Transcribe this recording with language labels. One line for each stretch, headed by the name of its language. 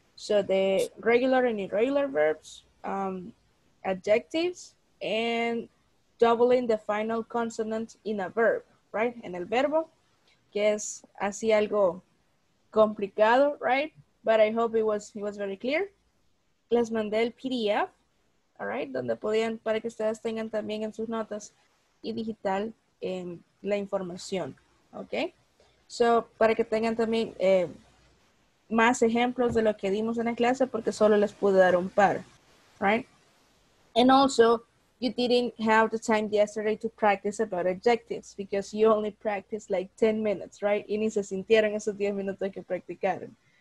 English: So the regular and irregular verbs, adjectives, and doubling the final consonant in a verb, right?
Spanish: En el verbo, que es así algo complicado, right?
English: But I hope it was very clear. Les mandé el PDF, all right?
Spanish: Donde podían, para que ustedes tengan también en sus notas y digital en la información, okay? So, para que tengan también más ejemplos de lo que dimos en la clase, porque solo les pude dar un par, right?
English: And also, you didn't have the time yesterday to practice about adjectives because you only practiced like 10 minutes, right?
Spanish: Y ni se sintieron esos 10 minutos que practicaron.